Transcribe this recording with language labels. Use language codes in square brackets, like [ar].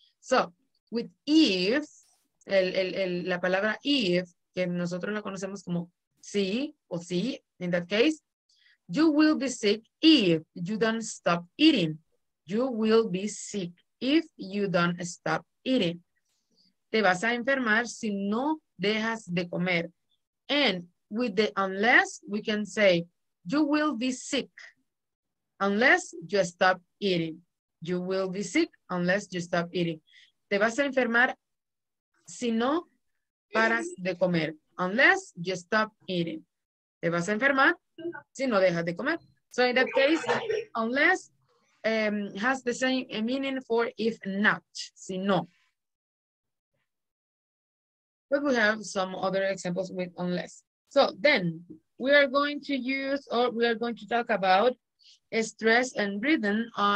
[en] So with if, [es] la palabra if, que nosotros la conocemos como sí o sí, [en] in that case, you will be sick if you don't stop eating. You will be sick if you don't stop eating. [es] Te vas a enfermar si no dejas de comer. [en] And with the unless, we can say, you will be sick unless you stop eating. You will be sick unless you stop eating. [es] Te vas a enfermar si no paras de comer. [en] Unless you stop eating. [es] Te vas a enfermar si no dejas de comer. [en] So in that case, unless has the same meaning for if not, [es] si no. [en] But we have some other examples with unless. So then we are going to use, or we are going to talk about stress and rhythm